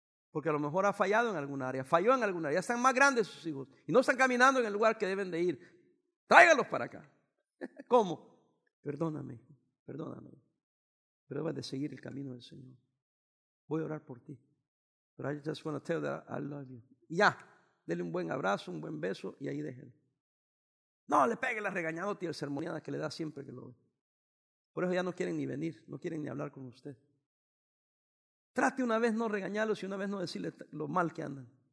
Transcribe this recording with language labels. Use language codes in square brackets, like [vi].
[es] Porque a lo mejor ha fallado en alguna área. Falló en alguna área. Ya están más grandes sus hijos. Y no están caminando en el lugar que deben de ir. Tráigalos para acá. ¿Cómo? Perdóname, hijo. Perdóname. Pero debes de seguir el camino del Señor. Voy a orar por ti. Pero [en] I just want to tell that I love you. [es] Y ya. Dele un buen abrazo, un buen beso y ahí déjelo. No, le pegue la regañada y el sermoneada que le da siempre que lo ve. Por eso ya no quieren ni venir. No quieren ni hablar con usted. Trate una vez no regañarlos y una vez no decirle lo mal que andan.